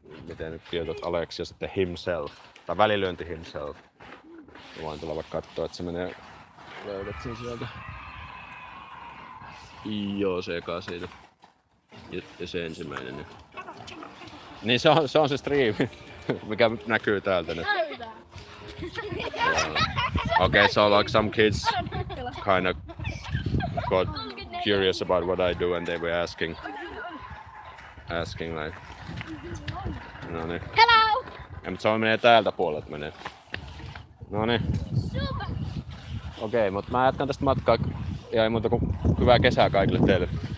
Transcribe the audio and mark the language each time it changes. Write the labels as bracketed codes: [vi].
[fi] Miten nyt kirjoitat Aleksi ja sitten himself. Tai välilyönti himself. Mä voin tulla vaikka kattoo, että se menee... Löydät sen sieltä. Joo, se eka siitä. Ja se ensimmäinen. Niin se on se striimi, mikä näkyy täältä nyt. [en] Okay, so like some kids kind of got curious about what I do and they were asking like, [fi] no niin. [en] Hello! [fi] Ja mut se on menee täältä puolelta menee. No niin. Super! Okei, mut mä jatkan tästä matkaa ja ei muuta kuin hyvää kesää kaikille teille.